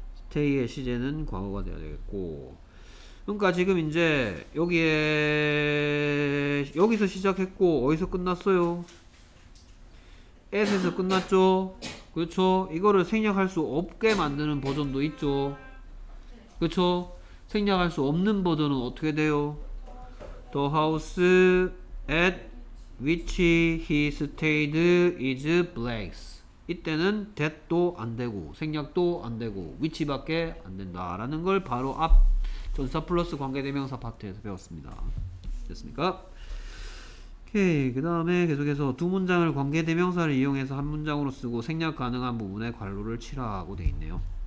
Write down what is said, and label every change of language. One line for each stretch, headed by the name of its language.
Korean: stay의 시제는 과거가 되어야 되겠고, 그러니까 지금 이제 여기에 여기서 시작했고 어디서 끝났어요? at에서 끝났죠? 그렇죠? 이거를 생략할 수 없게 만드는 버전도 있죠? 그렇죠? 생략할 수 없는 버전은 어떻게 돼요?
English: The house at which he stayed is blanks.
Korean: 이때는 that도 안 되고 생략도 안 되고 which밖에 안 된다라는 걸 바로 앞 전사 플러스 관계대명사 파트에서 배웠습니다. 됐습니까? 오케이. 그 다음에 계속해서 두 문장을 관계대명사를 이용해서 한 문장으로 쓰고 생략 가능한 부분에 관로를 칠하고 돼 있네요.